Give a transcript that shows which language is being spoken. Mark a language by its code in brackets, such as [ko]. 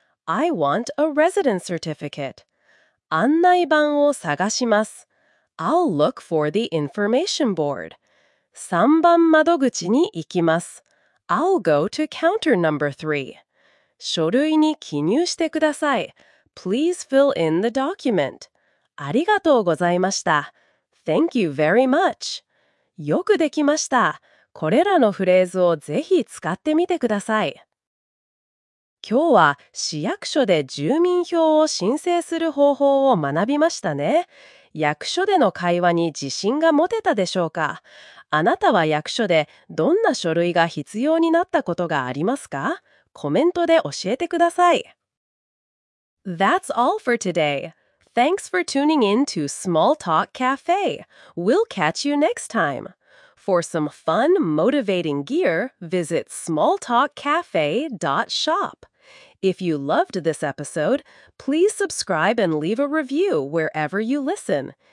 [en] I want a residence certificate. [ja] 案内板を探します。 [en] I'll look for the information board. [ja] 3番窓口に行きます。 [en] I'll go to counter number 3. [ja] 書類に記入してください。 [en] Please fill in the document. [ja] ありがとうございました。 [en] Thank you very much. [ja] よくできました。これらのフレーズをぜひ使ってみてください。今日は市役所で住民票を申請する方法を学びましたね。役所での会話に自信が持てたでしょうか？あなたは役所でどんな書類が必要になったことがありますか？コメントで教えてください。 [en] That's all for today. Thanks for tuning in to Small Talk Cafe. We'll catch you next time. For some fun, motivating gear, visit smalltalkcafe.shop. If you loved this episode, please subscribe and leave a review wherever you listen.